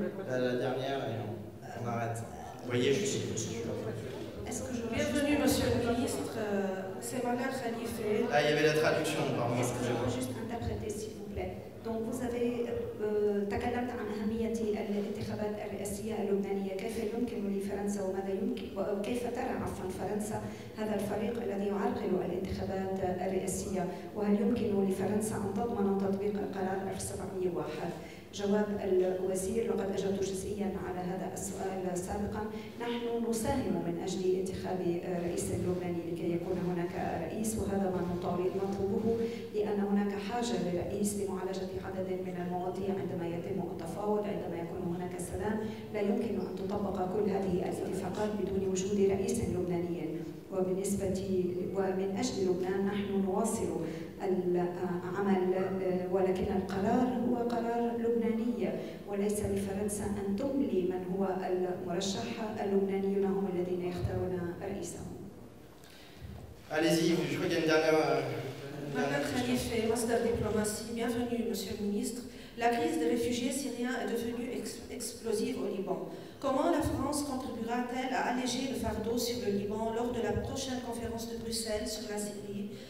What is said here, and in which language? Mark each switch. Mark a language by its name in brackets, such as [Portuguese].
[French] La, la dernière, et on arrête. Vous voyez, je suis. Est-ce que je Bienvenue, monsieur le ministre. C'est Manar Khalife. Ah, il y avait la traduction, pardon. Est-ce que je peux juste interpréter, s'il vous plaît? Donc, vous avez. [Arabic] تكلمت عن أهمية الانتخابات الرئاسية اللبنانية. كيف يمكن لفرنسا وماذا يمكن وكيف ترى عفوا فرنسا هذا الفريق الذي يعرقل الانتخابات الرئاسية؟ وهل يمكن لفرنسا أن تضمن تطبيق القرار 1701؟ جواب الوزير: لقد أجبت جزئيا على هذا السؤال سابقا. نحن نساهم من أجل انتخاب رئيس اللبناني لكي يكون هناك رئيس، وهذا ما نطلبه، لأن هناك حاجة لرئيس لمعالجة عدد من المواضيع. عندما يتم التفاوض، عندما يكون هناك سلام، لا يمكن أن تطبق كل هذه الاتفاقات بدون وجود رئيس لبناني. وبالنسبة ومن أجل لبنان نحن نواصل العمل، ولكن القرار هو قرار لبناني، وليس لفرنسا أن تملي من هو المرشح. اللبنانيون هم الذين يختارون رئيسهم. [French] Allez-y, je crois qu'il y a une dernière. Bernard Khalife, Master Diplomatie, bienvenue, Monsieur le Ministre. La crise des réfugiés syriens est devenue explosive au Liban. Comment la France contribuera-t-elle à alléger le fardeau sur le Liban lors de la prochaine conférence de Bruxelles sur la Syrie?